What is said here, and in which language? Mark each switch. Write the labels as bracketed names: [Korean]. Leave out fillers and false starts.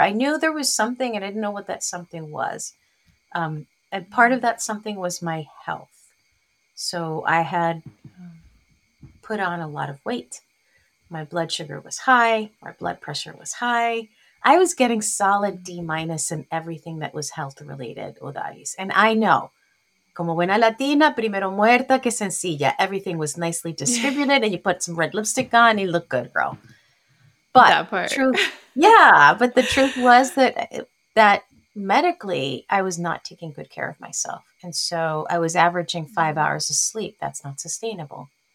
[English] I knew there was something and I didn't know what that something was. And part of that something was my health. So I had put on a lot of weight. My blood sugar was high. My blood pressure was high. I was getting solid D minus in everything that was health related, Odalis. And I know, [Spanish] como buena Latina, primero muerta que sencilla. [English] Everything was nicely distributed and you put some red lipstick on and you look good, girl. But that part. But the truth was that medically, I was not taking good care of myself. And so I was averaging 5 hours of sleep. That's not sustainable.